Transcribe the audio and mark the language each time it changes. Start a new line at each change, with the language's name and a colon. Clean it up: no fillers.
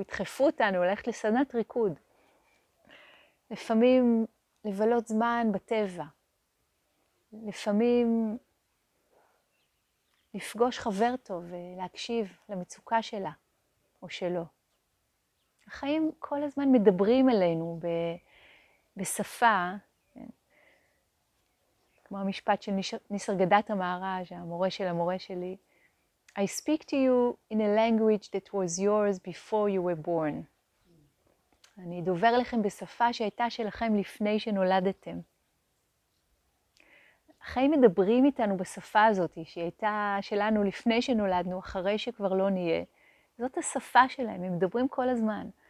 Hebrew: ידחפו אותנו, ללכת לסדנת ריקוד. לפעמים לבלות זמן בטבע. לפעמים לפגוש חבר טוב ולהקשיב למצוקה שלה או שלו. החיים כל הזמן מדברים אלינו בשפה, כן? כמו המשפט של ניסרגדת המהר"ז, המורה של המורה שלי,
English: I speak to you in a language that was yours before you were born.
Hebrew: אני דובר לכם בשפה שהייתה שלכם לפני שנולדתם. החיים מדברים איתנו בשפה הזאת, שהייתה שלנו לפני שנולדנו, אחרי שכבר לא נהיה. זאת השפה שלהם, הם מדברים כל הזמן.